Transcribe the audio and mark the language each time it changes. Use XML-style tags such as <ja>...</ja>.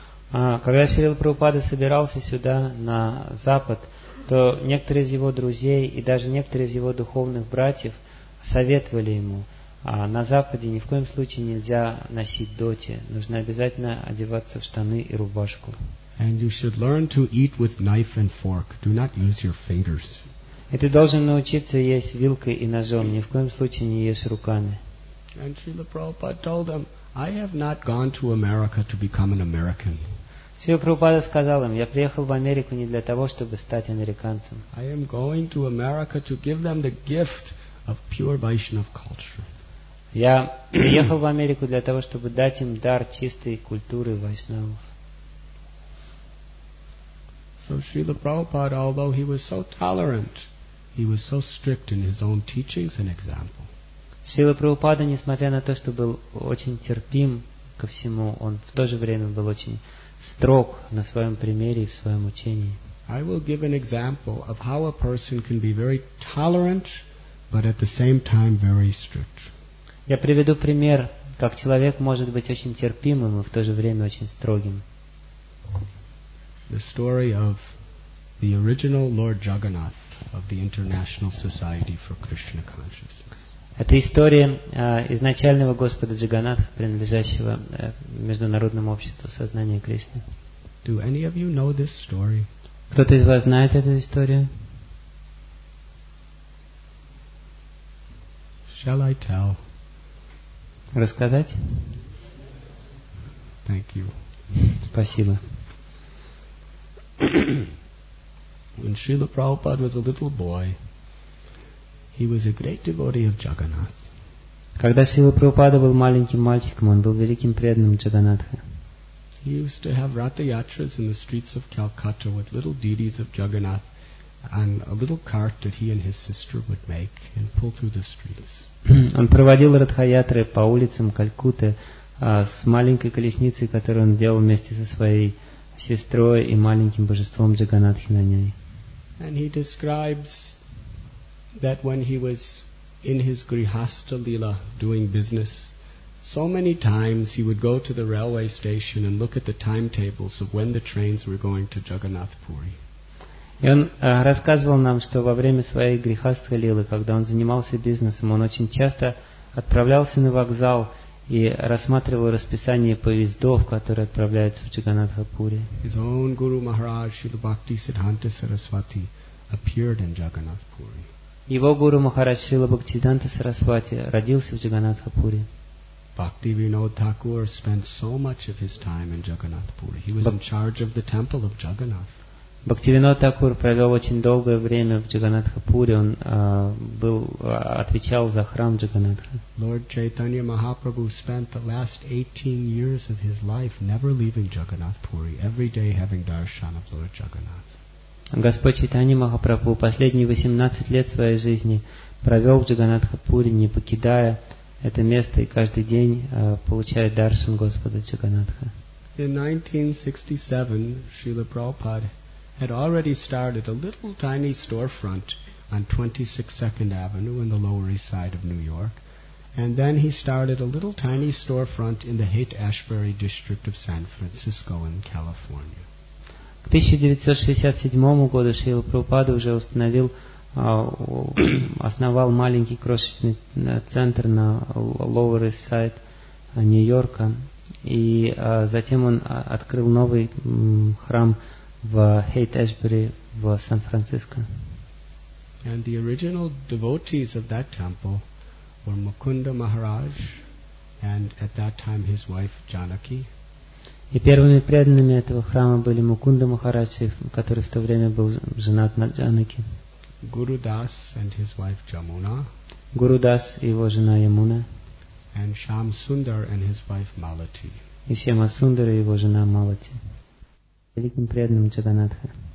<ru>Когда Шрила Прабхупада собирался сюда, на Запад, то некоторые из его друзей и даже некоторые из его духовных братьев советовали ему, на Западе ни в коем случае нельзя носить доти, нужно обязательно одеваться в штаны и рубашку.</ru> <en>And you should learn to eat with knife and fork, do not use your fingers.</en> <ru>И ты должен научиться есть вилкой и ножом, ни в коем случае не ешь руками.</ru> <en>And Srila Prabhupada told them, I have not gone to America to become an American.</en> <ru>Srila Prabhupada сказал им, я приехал в Америку не для того, чтобы стать американцем.</ru> <en>I am going to America to give them the gift of pure Vaishnava culture.</en> <ru>Я приехал в Америку для того, чтобы дать им дар чистой культуры вайшнавов.</ru> <en>So Srila Prabhupada, although he was so tolerant, he was so strict in his own teachings and example.</en> <ru>Шрила Прабхупада, несмотря на то, что был очень терпим ко всему, он в то же время был очень строг на своем примере и в своем учении.</ru> <en>I will give an example of how a person can be very tolerant, but at the same time very strict.</en> <ru>Я приведу пример, как человек может быть очень терпимым и в то же время очень строгим.</ru> <en>The story of the original Lord Jagannath of the International Society for Krishna Consciousness.</en> <ru>Это история изначального Господа Джаганнатха, принадлежащего Международному обществу сознания Кришны.</ru> <en>Do any of you know this story?</en> <ru>Кто-то из вас знает эту историю?</ru> <en>Shall I tell?</en> <ru>Рассказать?</ru> <en>Thank you.</en> <ru>Спасибо.</ru> <en>When Srila Prabhupada was a little boy, he was a great devotee of Jagannath.</en> <ru>Когда Шрила Прабхупада был маленьким мальчиком, он был великим преданным Джаганнатха.</ru> <en>He used to have ratayatras in the streets of Calcutta with little deities of Jagannath and a little cart that he and his sister would make and pull through the streets.</en> <ru>Он проводил ратхаятры по улицам Калькутты с маленькой колесницей, которую он делал вместе со своей сестрой и маленьким божеством Джаганнатхи на ней.</ru> <en>And he describes that when he was in his grihastha lila doing business, so many times he would go to the railway station and look at the timetables of when the trains were going to Jagannath Puri.</en> <ru>И он рассказывал нам, что во время своей грехастха лилы, когда он занимался бизнесом, он очень часто отправлялся на вокзал и рассматривал расписание поездов, которые отправляются в Джаганатхапури.</ru> <en>His own Guru Maharaj, Srila Bhakti Siddhanta Saraswati, appeared in Jagannathpuri.</en> <ru>Его гуру Махарадж Шрила Бхактисиддханта Сарасвати родился в Джаганатхапуре.</ru> <en>Бхакти Винод Такур spent so much of his time in Jagannathpuri. He was in charge of the temple of Jagannath.</en> <ru>Бхакти Винод Такур провел очень долгое время в Джаганатхапуре. Он отвечал за храм Джаганатха.</ru> <en>Lord Chaitanya Mahaprabhu spent the last 18 years of his life never leaving Jagannathpuri, every day having darshan of Lord Jagannath.</en> <ru>Господь Чайтанья Махапрабху последние 18 лет своей жизни провел в Джаганатхапуре, не покидая это место, и каждый день получает даршан Господа Джаганатха.</ru> <en>In 1967, Srila Prabhupada had already started a little tiny storefront on 22nd Avenue in the Lower East Side of New York, and then he started a little tiny storefront in the Haight-Ashbury district of San Francisco in California.</en> <ru>В 1967 году Шрила Прабхупада уже установил, основал маленький крошечный центр на Lower East Side Нью-Йорка, и затем он открыл новый храм в Haight-Ashbury в Сан-Франциско.</ru> <en>And the original devotees of that temple were Mukunda Maharaj and at that time his wife Janaki.</en> <ru>И первыми преданными этого храма были Мукунда Махараджи, который в то время был женат на Джанаки.</ru> <en>Guru Das and his wife Jamuna.</en> <ru>Guru Das и его жена Ямуна.</ru> <en>And Shyam Sundar and his wife Malati.</en> <ru>И Шьяма Сундар и его жена Малати. Великим преданным Джаганатха.</ru>